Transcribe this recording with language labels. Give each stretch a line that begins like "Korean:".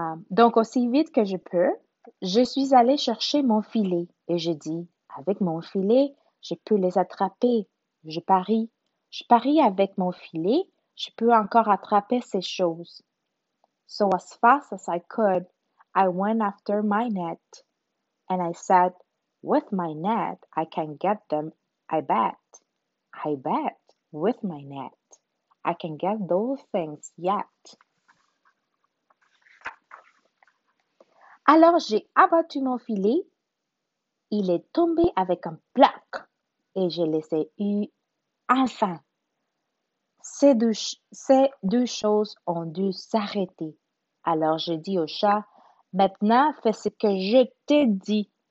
French: Donc aussi vite que je peux, je suis allée chercher mon filet et je dis, avec mon filet, je peux les attraper. Je parie avec mon filet, je peux encore attraper ces choses.
English: So as fast as I could, I went after my net. And I said, with my net, I can get them, I bet, with my net, I can get those things yet.
French: Alors j'ai abattu mon filet, il est tombé avec un plac, et je les ai eus enfin. Ces deux choses ont dû s'arrêter. Alors je dis au chat, maintenant fais ce que je t'ai dit.